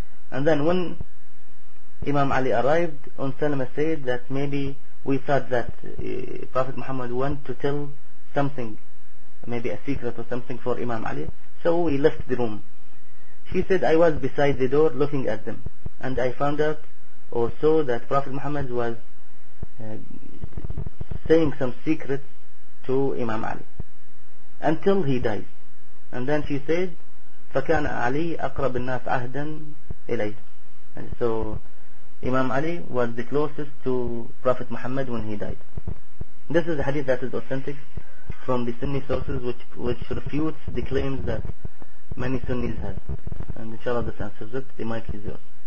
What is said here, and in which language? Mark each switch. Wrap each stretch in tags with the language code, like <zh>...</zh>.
<en>And then when Imam Ali arrived, Umm Salama said that maybe we thought that Prophet Muhammad went to tell something, maybe a secret or something for Imam Ali, so we left the room. She said, I was beside the door looking at them, and I found out or saw that Prophet Muhammad was saying some secret to Imam Ali until he dies. And then she said,</en> <ar>فكان علي أقرب الناس عهدا إليه.</ar> <en>And so Imam Ali was the closest to Prophet Muhammad when he died. This is a hadith that is authentic from the Sunni sources, which refutes the claims that many Sunnis have. And inshallah this answers it. The mic is yours.</en>